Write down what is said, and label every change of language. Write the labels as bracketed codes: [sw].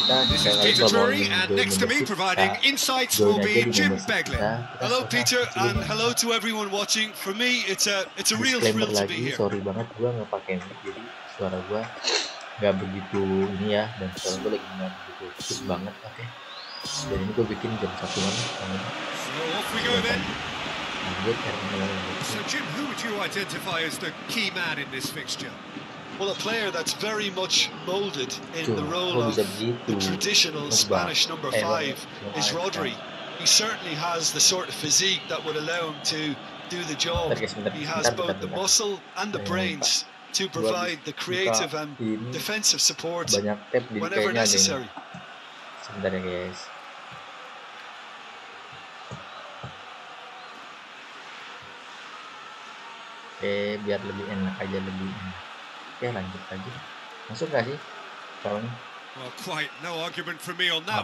[en] This is Peter Drury, and next to me, providing insights, will be Jim Beglin. Hello, Peter, and hello to everyone watching. For me, it's a real thrill to be here. [id] Sorry banget, gua nggak pakai mic, jadi suara gua nggak begitu ini ya, dan suara gua lagi nggak begitu sus banget, oke? Dan ini gua bikin jam satu malam. [en] So, Jim, who would you identify as the key man in this fixture? Well, a player that's very much molded in the role of the traditional Spanish number 5 is Rodri. He certainly has the sort of physique that would allow him to do the job. He has both the muscle and the brains to provide the creative and defensive support whenever necessary. [id] Sebentar ya guys. Biar lebih enak aja, lebih enak. Oke, lanjut lagi. Masuk gak sih? Calonnya. [en] Well, quite no argument for me on that.